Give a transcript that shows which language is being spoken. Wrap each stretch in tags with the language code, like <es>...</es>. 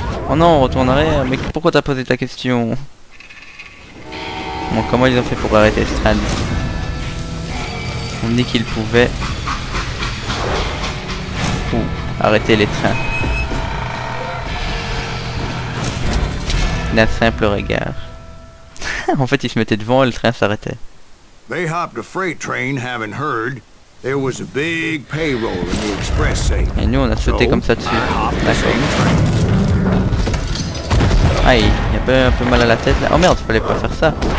<fr>Oh non, retourne arrière, mais pourquoi t'as posé ta question? Bon, comment ils ont fait pour arrêter ce train? On dit qu'ils pouvaient arrêter les trains. D'un simple regard. En fait, il se mettait devant et le train s'arrêtait.</fr> <en>They hopped a freight train, having heard there was a big payroll in the express safe.</en> <fr>Et nous, on a sauté comme ça dessus. D'accord. Aïe, il y a un peu mal à la tête là. Oh merde, fallait pas faire ça.</fr>